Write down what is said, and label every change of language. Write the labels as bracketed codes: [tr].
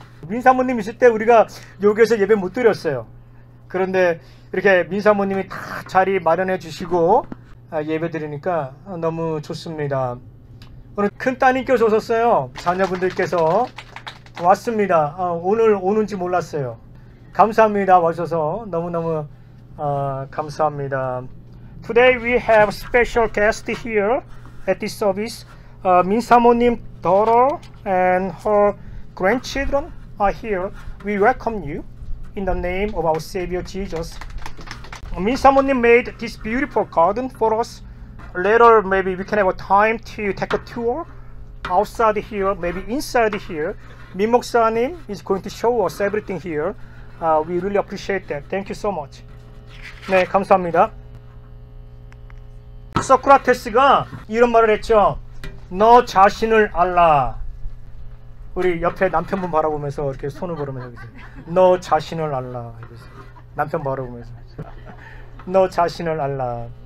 [ko] 민사모님 있을 때 우리가 여기에서 예배 못 드렸어요. 그런데 이렇게 민사모님이 다 자리 마련해 주시고 예배 드리니까 너무 좋습니다. 오늘 큰 따님께서 오셨어요. 자녀분들께서 왔습니다. 오늘 오는지 몰랐어요. 감사합니다. 와주셔서 너무너무 감사합니다. [en] Today we have special guest here at this service. Min Samo님 daughter and her grandchildren are here. We welcome you in the name of our Savior Jesus. Min Samo님 made this beautiful garden for us. Later, maybe we can have a time to take a tour outside here, maybe inside here. Min 목사님 is going to show us everything here. We really appreciate that. Thank you so much. [ko] 네, 감사합니다. 소크라테스가 이런 말을 했죠. 너 자신을 알라. 우리 옆에 남편분 바라보면서 이렇게 손을 벌으면서 여기서 너 자신을 알라. 여기서 남편 바라보면서 너 자신을 알라.